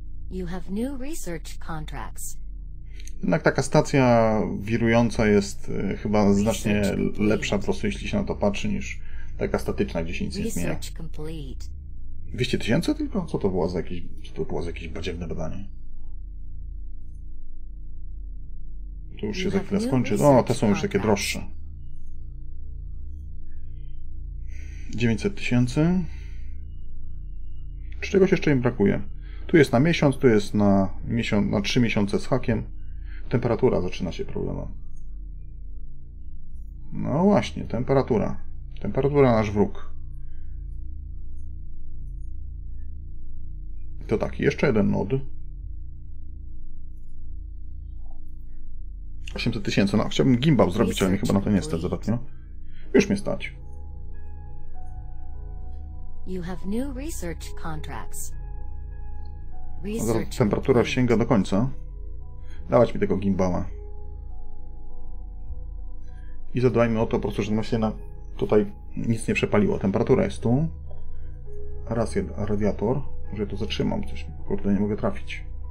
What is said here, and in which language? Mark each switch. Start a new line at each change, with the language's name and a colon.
English: You have new research contracts.
Polish: Jednak taka stacja wirująca jest chyba znacznie lepsza, po prostu jeśli się na to patrzy, niż taka statyczna, gdzie się nic nie zmienia. 200 tysięcy tylko? Co to było za jakieś, badziewne badanie? To już się za chwilę skończy. O, te są już takie droższe. 900 tysięcy. Czy czegoś jeszcze im brakuje? Tu jest na miesiąc, tu jest na miesiąc, na 3 miesiące z hakiem. Temperatura zaczyna się problemem. No właśnie, temperatura. Temperatura nasz wróg. To tak, jeszcze jeden nod. 800 tysięcy. No, chciałbym gimbal zrobić, ale mi chyba na to nie stać dodatnio. Już mnie stać.
English: You have new research contracts.
Polish: Temperatura sięga do końca. Dawać mi tego gimbala. I zadbajmy o to, po prostu, żeby się na tutaj nic nie przepaliło. Temperatura jest tu. Raz jeden radiator. Może to zatrzymam, coś kurde nie mogę trafić.